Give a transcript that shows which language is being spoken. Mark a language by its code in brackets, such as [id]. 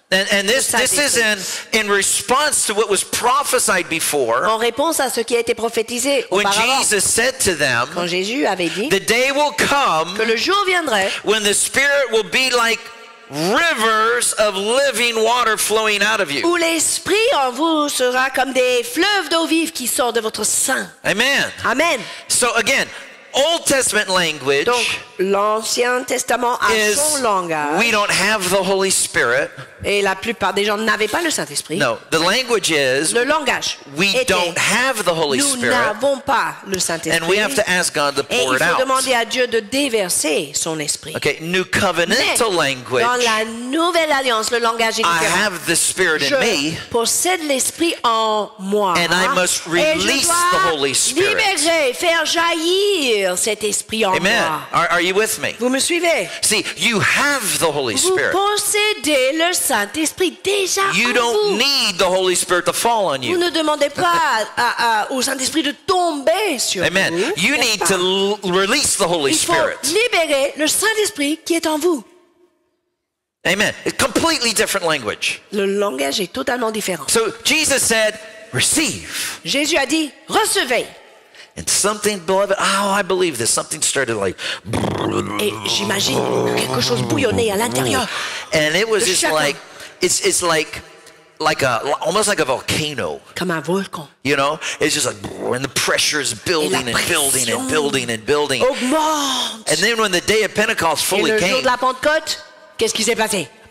[en] And this is in response to what was prophesied before. [fr] En réponse à ce qui a été prophétisé auparavant. [en] When Jesus said to them, [fr] quand Jésus avait dit, [en] the day will come, [fr] que le jour viendrait, [en] when the Spirit will be like rivers of living water flowing out of you. [fr] Où l'esprit en vous sera comme des fleuves d'eau vive qui sortent de votre sein. [en] Amen. [fr] Amen. [en] So again, Old Testament language. [fr] Donc l'Ancien Testament a son langage. [en] We don't have the Holy Spirit. [fr] Et la plupart des gens n'avaient pas le Saint-Esprit. [en] No, the language is. [fr] Le langage. [en] We [fr] était, [en] don't have the Holy [fr] nous [en] Spirit. [fr] Nous n'avons pas le Saint-Esprit. [en] And we have to ask God to pour it out. [fr] Et il faut demander à Dieu de déverser son esprit. [en] Okay, New Covenantal language. [fr] Dans la Nouvelle Alliance, le langage est différent. [en] I have the Spirit in me. [fr] Je possède l'esprit en moi. [en] And I must release the Holy Spirit. [fr] Et je dois libérer, faire jaillir cet esprit en [en] Amen. [fr] Moi. [en] Amen. Are you with me? [fr] Vous me suivez? [en] See, you have the Holy Spirit. [fr] Vous possédez le Saint-Esprit déjà [en] you don't [fr] vous. [en] Need the Holy Spirit to fall on you. [fr] Vous ne demandez pas au Saint-Esprit de tomber sur [en] Amen. [fr] Vous. [en] You need [fr] pas. [en] To release the Holy [fr] Il faut [en] Spirit. [fr] Libérer le Saint-Esprit qui est en vous. [en] Amen. It's completely different language. [fr] Le langage est totalement différent. [en] So Jesus said, receive. [fr] Jésus a dit, recevez. [en] And something, beloved, oh, I believe this. Something started like. [fr] Et j'imagine quelque chose bouillonnait à l'intérieur. [en] And it was just like, it's like a, almost like a volcano. [fr] Comme un volcan. [en] You know, it's just like, and the pressure is building and building and building and building. [fr] Augmente. [en] And then when the day of Pentecost fully [fr] Et le [en] came. [fr] Jour de la Pentecôte, qu'est-ce qui s'est passé?